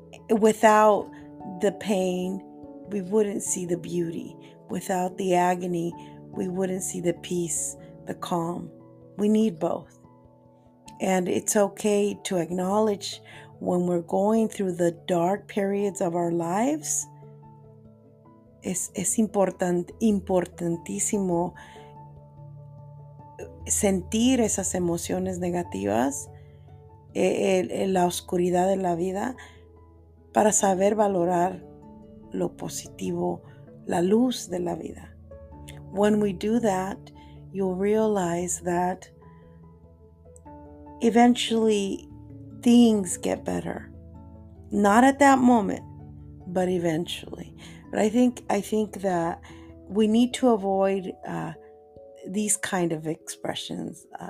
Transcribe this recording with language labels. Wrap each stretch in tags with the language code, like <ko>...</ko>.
<en>Without the pain, we wouldn't see the beauty. Without the agony, we wouldn't see the peace, the calm. We need both. And it's okay to acknowledge when we're going through the dark periods of our lives.</en> <es>Es importantísimo sentir esas emociones negativas, la oscuridad de la vida, para saber valorar lo positivo, la luz de la vida.</es> <en>When we do that, you'll realize that eventually things get better. Not at that moment, but eventually. But I think that we need to avoid these kind of expressions.</en>